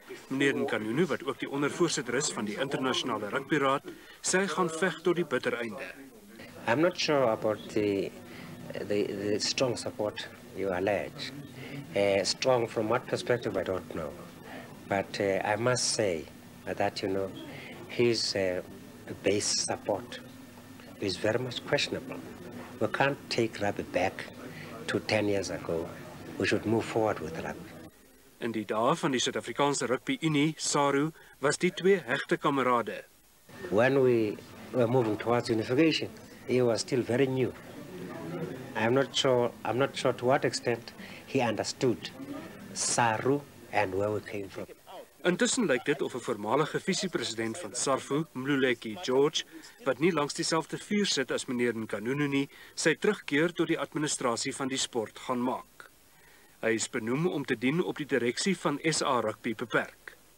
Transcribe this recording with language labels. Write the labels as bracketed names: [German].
[Afrikaans] Meneer Mkanunu, wat ook die ondervoorsitter is van die internationale rugbyraad, sê hy gaan veg tot die bitter einde. [English] I'm not sure about the strong support you allege. Strong from what perspective, I don't know. But I must say that, you know, his base support is very much questionable. We can't take rugby back to 10 years ago. We should move forward with rugby. [Afrikaans] In die dae van die Suid-Afrikaanse Rugby Unie, SARU, was die twee hechte kamerade. [English] When we were moving towards unification, he was still very new. I'm not sure to what extent he understood SARU and where we came from. [Afrikaans] Intussen lyk dit of 'n voormalige visie-president van SARFU, Mluleki George, wat nie langs dieselfde vuur sit as meneer Nkanunu nie, sy terugkeer tot die administrasie van die sport gaan maak. Hy is benoem om te dien op die direksie van SA Rugby beperk.